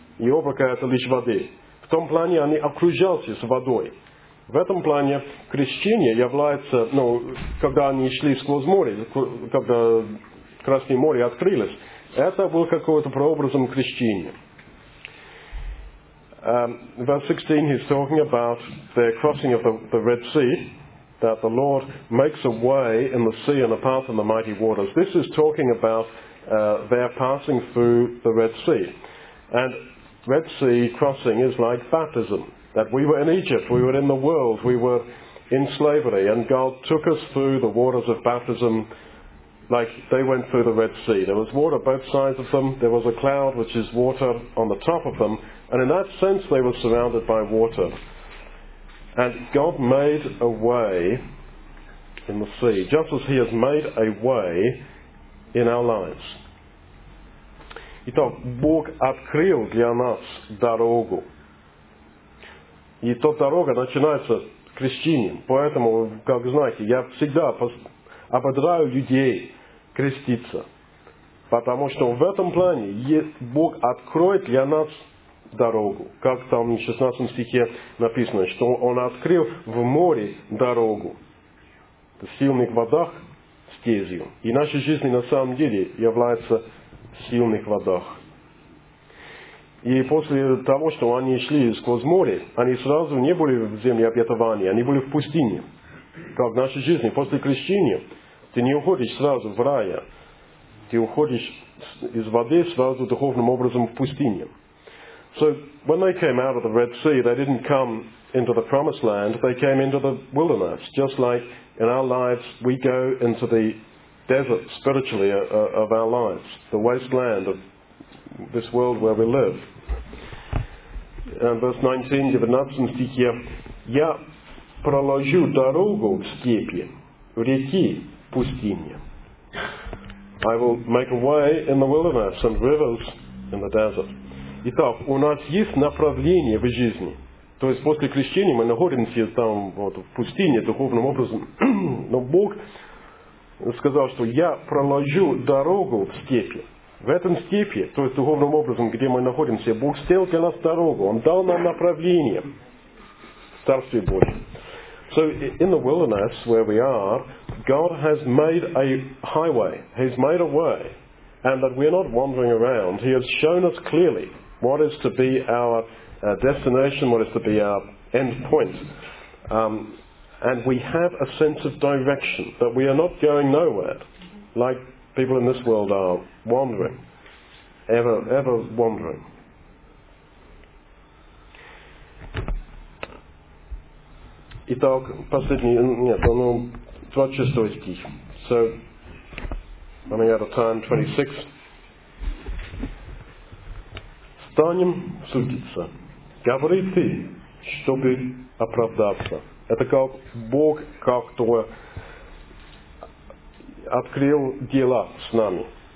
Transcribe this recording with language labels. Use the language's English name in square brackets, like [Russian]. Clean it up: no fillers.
[Russian] И облако – это лишь воды. В том плане они окружались с водой. В этом плане крещение является, ну, когда они шли сквозь море, когда Красное море открылось, это был какой-то прообразом крещения. [English] Verse 16, he's talking about the crossing of the Red Sea. That the Lord makes a way in the sea and a path in the mighty waters. This is talking about their passing through the Red Sea. And Red Sea crossing is like baptism. That we were in Egypt, we were in the world, we were in slavery, and God took us through the waters of baptism like they went through the Red Sea. There was water both sides of them, there was a cloud which is water on the top of them, and in that sense they were surrounded by water. And God made a way in the sea, just as He has made a way in our lives. [Russian] Итак, Бог открыл для нас дорогу. И та дорога начинается крещением. Поэтому, как знаете, я всегда ободряю людей креститься. Потому что в этом плане Бог откроет для нас дорогу, как там в 16 стихе написано, что он открыл в море дорогу, сильных водах стезью. И наша жизнь на самом деле является сильных водах. И после того, что они шли сквозь море, они сразу не были в земле обетования, они были в пустыне. Как в нашей жизни, после крещения, ты не уходишь сразу в рая, ты уходишь из воды сразу духовным образом в пустыне. [English] So when they came out of the Red Sea, they didn't come into the Promised Land, they came into the wilderness, just like in our lives we go into the desert spiritually of our lives, the wasteland of this world where we live. And verse 19, [Russian] девятнадцатом стихе, я проложу дорогу в степи, в реки пустыне. [English] I will make a way in the wilderness and rivers in the desert. [Russian] Итак, у нас есть направление в жизни. То есть после крещения мы находимся там вот, в пустыне духовным образом. Но Бог сказал, что я проложу дорогу в степи. В этом степи, то есть духовным образом, где мы находимся, Бог сделал для нас дорогу. Он дал нам направление в Царстве Божьем. [English] So in the wilderness where we are, God has made a highway. He's made a way. And that we're not wandering around. He has shown us clearly what is to be our destination, what is to be our end point. And we have a sense of direction, that we are not going nowhere, like people in this world are wandering, ever wandering. [Russian] Итак, последний, нет, он 26 стих. [English] So, running out of time, 26. [Russian] Станем судиться. Говори ты, чтобы оправдаться. Это как Бог как-то открыл дела с нами.